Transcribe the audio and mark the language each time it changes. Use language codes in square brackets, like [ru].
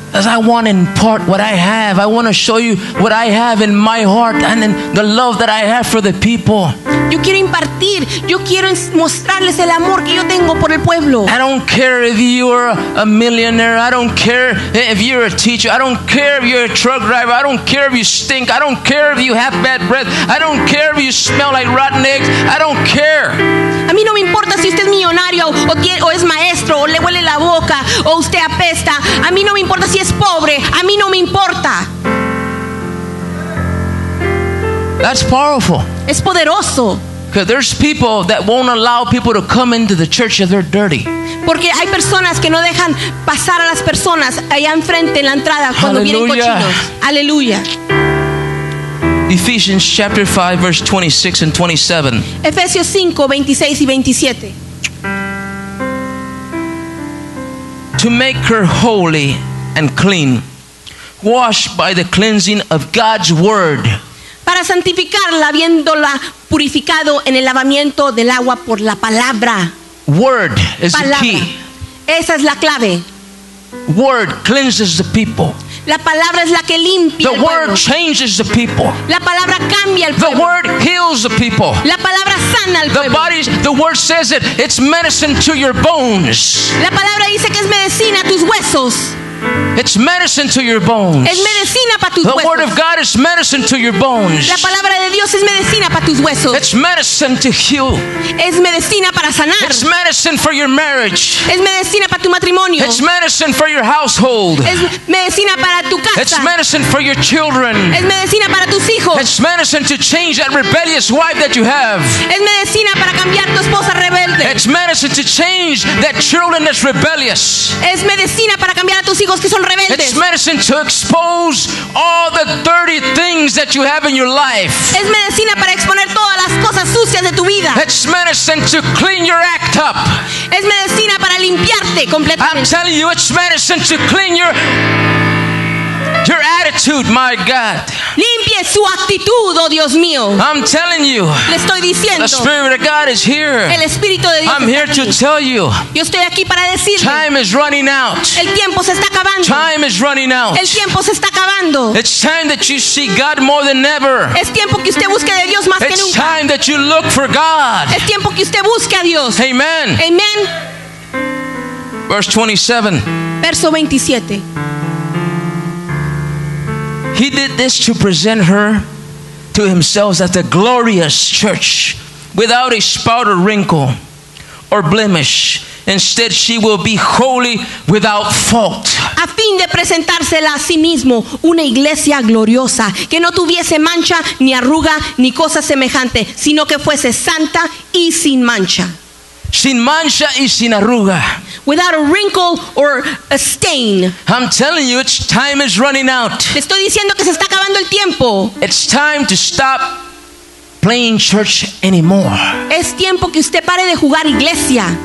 [en] As I want to impart what I have, I want to show you what I have in my heart and in the love that I have for the people. [es] Yo quiero impartir, yo quiero mostrarles el amor que yo tengo por el pueblo. [en] I don't care if you're a millionaire, I don't care if you're a teacher, I don't care if you're a truck driver, I don't care if you stink, I don't care if you have bad breath, I don't care if you smell like rotten eggs, I don't care. [es] A mí no me importa si usted es millonario o es maestro o le huele la boca o usted apesta. A mí no me importa si es pobre. A mí no me importa. [en] That's powerful. [es] Es poderoso. [en] Because there's people that won't allow people to come into the church if they're dirty. [es] Porque hay personas que no dejan pasar a las personas allá enfrente en la entrada cuando vienen cochinos. Aleluya. [en] Ephesians chapter 5, verse 26 and 27. [es] Efesios 5, 26 y 27. [en] To make her holy and clean, washed by the cleansing of God's word. [es] Para santificarla, viéndola purificado en el lavamiento del agua por la palabra. [en] Word is [es] palabra. [en] The key. [es] Esa es la clave. [en] Word cleanses the people. [es] La palabra es la que limpia. [en] The word changes the people. [es] La palabra cambia el pueblo. [en] The word heals the people. [es] La palabra sana al pueblo. [en] The body, the word says it. It's medicine to your bones. [es] La palabra dice que es medicina a tus huesos. [en] It's medicine to your bones. [es] Es medicina para tus [en] the [es] huesos. [en] The word of God is medicine to your bones. [es] La palabra de Dios es medicina para tus huesos. [en] It's medicine to heal. [es] Es medicina para sanar. [en] It's medicine for your marriage. [es] Es medicina para tu matrimonio. [en] It's medicine for your household. [es] Es medicina para tu casa. [en] It's medicine for your children. [es] Es medicina para tus hijos. [en] It's medicine to change that rebellious wife that you have. [es] Es medicina para cambiar tu esposa rebelde. [en] It's medicine to change that children that's rebellious. [es] Es medicina para cambiar a tus hijos que son rebeldes. [en] It's medicine to expose all the dirty things that you have in your life. [es] Es medicina para exponer todas las cosas sucias de tu vida. [en] It's medicine to clean your act up. [es] Es medicina para limpiarte completamente. [en] I'm telling you, it's medicine to clean your attitude, my God. [es] Limpie su actitud, oh Dios mío. [en] I'm telling you. [es] Le estoy diciendo. [en] The Spirit of God is here. [es] El Espíritu de Dios [en] I'm here [es] aquí. [en] To tell you. [es] Yo estoy aquí para decirle. [en] Time is running out. [es] El tiempo se está acabando. [en] Time is running out. [es] El tiempo se está acabando. [en] It's time that you see God more than ever. [es] Es tiempo que usted busque de Dios más [en] It's [es] que nunca. [en] It's time that you look for God. [es] Es tiempo que usted busque a Dios. [en] Amen. [es] Amen. [en] Verse 27. [es] Verso 27. [en] He did this to present her to himself as a glorious church without a spot or wrinkle or blemish. Instead, she will be holy without fault. [es] A fin de presentársela a sí mismo una iglesia gloriosa que no tuviese mancha ni arruga ni cosa semejante, sino que fuese santa y sin mancha. Sin mancha y sin arruga. [en] Without a wrinkle or a stain. I'm telling you, it's time is running out. [es] Le estoy diciendo que se está acabando el tiempo. [en] It's time to stop playing church anymore. [es] Es tiempo que usted pare de jugar iglesia.